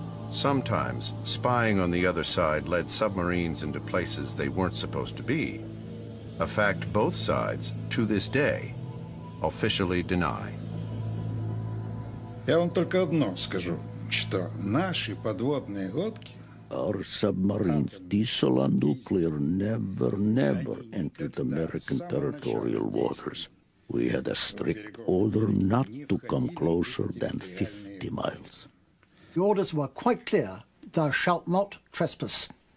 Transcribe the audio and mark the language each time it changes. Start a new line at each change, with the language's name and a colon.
English: Sometimes, spying on the other side led submarines into places they weren't supposed to be. A fact both sides, to this day, officially deny.
Russian: Я вам только одно скажу, что наши подводные лодки...
English: Our submarines, diesel and nuclear, never entered American territorial waters. We had a strict order not to come closer than 50 miles. The orders were quite clear. Thou shalt not trespass.